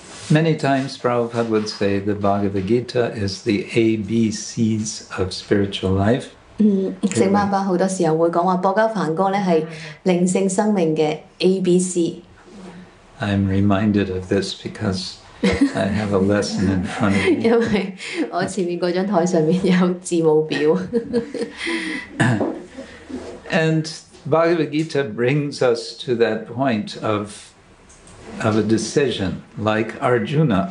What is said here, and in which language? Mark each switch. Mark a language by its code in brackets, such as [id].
[en] Many times Prabhupada would say the Bhagavad Gita is the ABCs of spiritual life. [yue] 聖巴巴好多時候會講話博加梵歌咧係靈性生命嘅ABC。 [en] I'm reminded of this because I have a lesson in front of me. [yue] 因為我前面嗰張台上面有字母表。 [en] And Bhagavad Gita brings us to that point of a decision, like Arjuna.